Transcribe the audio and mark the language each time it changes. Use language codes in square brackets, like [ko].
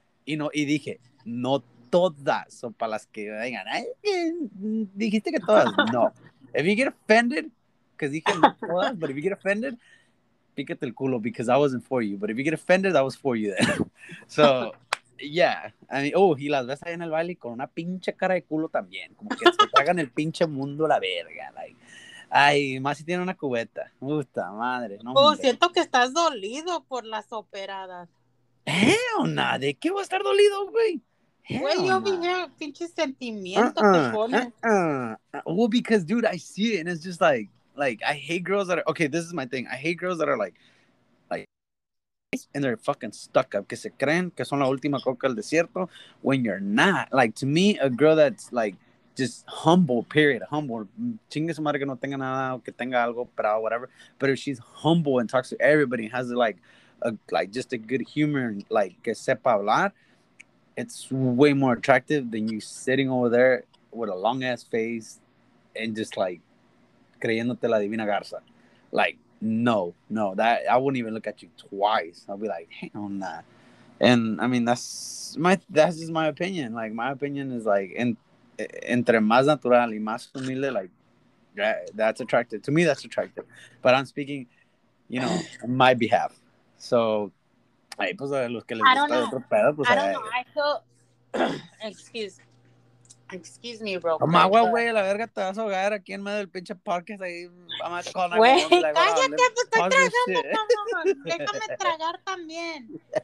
[es] y no y dije, no todas son para las que vengan. Ay, dijiste que todas. No. [en] If you get offended, because [es] dije no todas, [en] but if you get offended, [es] píquete el culo, [en] because that wasn't for you. But if you get offended, that was for you then. So, yeah. I mean, [es] oh, y las ves ahí en el baile con una pinche cara de culo también. Como que se tragan el pinche mundo la verga. [en] Like, [es] ay, más si tiene una cubeta. Puta madre. No, oh, siento que estás dolido por las operadas. [en] Hell nah, [es] ¿de qué voy a estar dolido, güey? Güey, yo vi el pinche sentimiento [en] Well, because, dude, I see it, and it's just like, I hate girls that are, okay, this is my thing, I hate girls that are like, and they're fucking stuck up, [es] que se creen que son la última coca del desierto, [en] when you're not, like, to me, a girl that's, like, just humble, period, humble, [es] chingue su madre que no tenga nada, o que tenga algo, [en] pero whatever, but if she's humble and talks to everybody, has, like, just a good humor, like, [es] que sepa hablar, [en] it's way more attractive than you sitting over there with a long-ass face and just, like, [es] creyéndote la divina garza. [en] Like, no, that I wouldn't even look at you twice. I'll be like, hang on that. And, I mean, that's just my opinion. Like, my opinion is, like, [es] entre más natural y más humilde, [en] like, yeah, that's attractive. To me, that's attractive. But I'm speaking, you know, on my behalf. [es] So, ahí, pues, a los que les gusta el otro pedo, pues, [en] I don't know. I feel... Excuse me, bro. [es] Toma agua, güey, la verga, te vas a ahogar aquí en medio del pinche parque. Ahí, mamá, con agua. Güey, cállate, te estoy tragando, cabrón. Déjame tragar también.